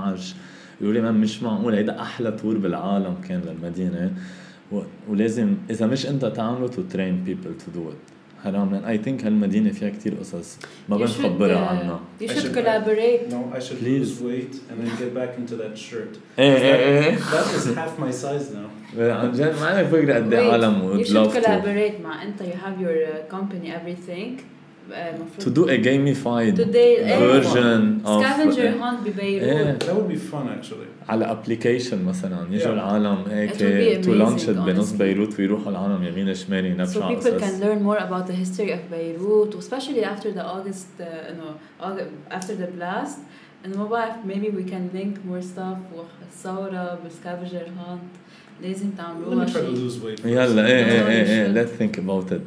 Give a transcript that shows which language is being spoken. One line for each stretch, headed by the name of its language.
Arabic: 2011-2012 يقولي ما مش معقول هيدا أحلى تور بالعالم كان للمدينة ولازم إذا مش أنت تعمله
English: to train people to do it
Arabic: حرام لأن
English: I think
Arabic: هالمدينة فيها كتير قصص ما بنخبرها عنها
English: you should collaborate no I should Please. Lose weight and then get back into that shirt that is half my size now
Arabic: عن جد ما أنا بفكر قد إيه عالم
English: you should collaborate
Arabic: مع أنت
English: you have your company everything to do a gamified Today, version of scavenger hunt ببيروت yeah. that would be fun actually
Arabic: على application مثلا يجوا العالم هيك
English: to launch it
Arabic: بنص بيروت ويروحوا العالم يمين شمال ينفعوا
English: so people can learn more about the history of Beirut especially after the August after the blast and
Arabic: ما بعرف
English: maybe we can link more stuff وصورة بالscavenger hunt لازم
Arabic: تعملوها شيء يلا ايه
English: let's think about it